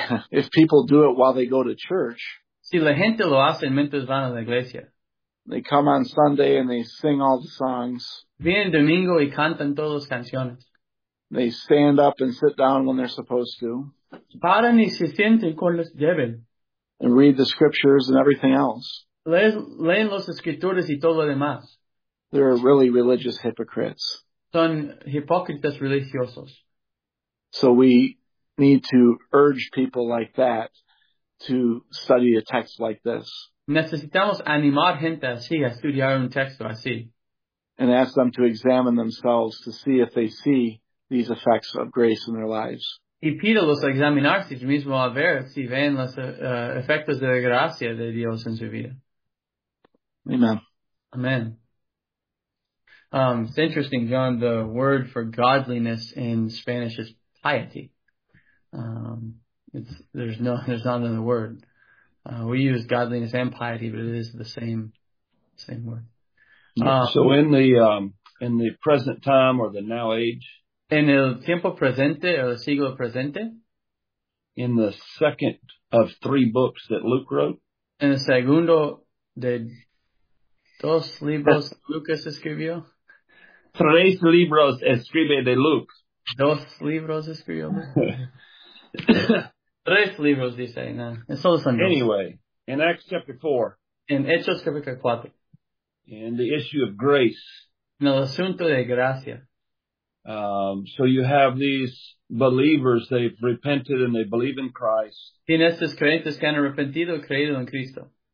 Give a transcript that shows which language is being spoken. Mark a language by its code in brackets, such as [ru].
[en] If people do it while they go to church, [es] si la gente lo hace mientras van a la iglesia, [en] they come on Sunday and they sing all the songs. [es] Vienen domingo y cantan todas las canciones. [en] They stand up and sit down when they're supposed to. [es] Paran y se sienten cuando deben. [en] And read the scriptures and everything else. [es] Leen las escrituras y todo lo demás. [en] They're really religious hypocrites. [es] Son hipócritas religiosos. [en] So we need to urge people like that to study a text like this. [es] Necesitamos animar gente así a estudiar un texto así. [en] And ask them to examine themselves to see if they see these effects of grace in their lives. [es] Y pídelos a examinarse mismo a ver si ven los efectos de la gracia de Dios en su vida. [en] Amen. [es] Amen. [en] It's interesting, John, the word for godliness in Spanish is piety. There's not another word. We use godliness and piety, but it is the same word. So in the present time or the now age. [es] En el tiempo presente [en] or [es] el siglo presente. [en] In the second of three books that Luke wrote. [es] En el segundo de dos libros que Lucas escribió. Tres libros escribe de Luke. Dos libros escribió. Tres libros dice, no. Es solo son dos. [en] Anyway, in Acts chapter 4. [es] En Hechos capítulo 4. [en] In the issue of grace. [es] En el asunto de gracia. [en] So you have these believers, they've repented and they believe in Christ. [es] Tienen estos creyentes que han arrepentido y creído en Cristo.